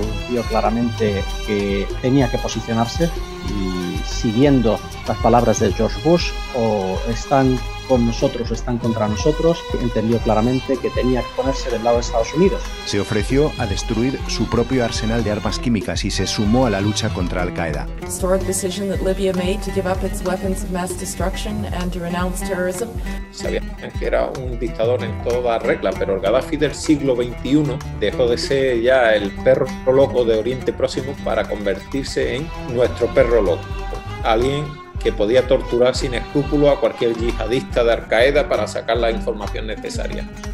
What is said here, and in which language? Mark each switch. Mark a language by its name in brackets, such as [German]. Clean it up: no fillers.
[Spanish] Vio claramente que tenía que posicionarse y siguiendo las palabras de George Bush, o están con nosotros o están contra nosotros, entendió claramente que tenía que ponerse del lado de Estados Unidos. Se ofreció a destruir su propio arsenal de armas químicas y se sumó a la lucha contra Al-Qaeda. [English] Historic decision that Libya made to give up its weapons of mass destruction and to renounce terrorism. [Spanish] Sabía que era un dictador en toda regla, pero el Gaddafi del siglo XXI dejó de ser ya el perro loco de Oriente Próximo para convertirse en nuestro perro loco. Alguien que podía torturar sin escrúpulo a cualquier yihadista de Al-Qaeda para sacar la información necesaria.